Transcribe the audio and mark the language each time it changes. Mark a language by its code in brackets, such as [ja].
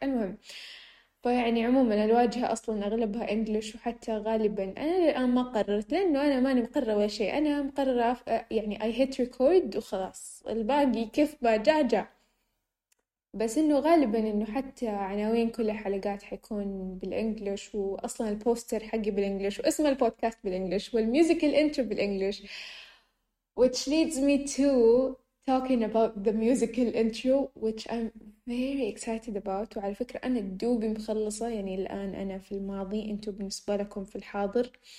[ar] المهم، فيعني عموما الواجهة أصلا أغلبها إنجليش، وحتى غالبا أنا الآن ما قررت لأنه أنا ماني مقررة ولا شيء، أنا مقررة يعني [en] I hit record [ar] وخلاص، الباقي كيف ما جا جا. بس إنه غالبا إنه حتى عناوين كل الحلقات حيكون بالإنجليش، وأصلا البوستر حقي بالإنجليش، واسم البودكاست بالإنجليش، والميوزيكال إنترو بالإنجليش. [en] which leads me to talking about the musical intro which I'm very excited about. [ar] وعلى فكرة أنا دوبي مخلصة، يعني الآن أنا في الماضي، أنتوا بالنسبة لكم في الحاضر.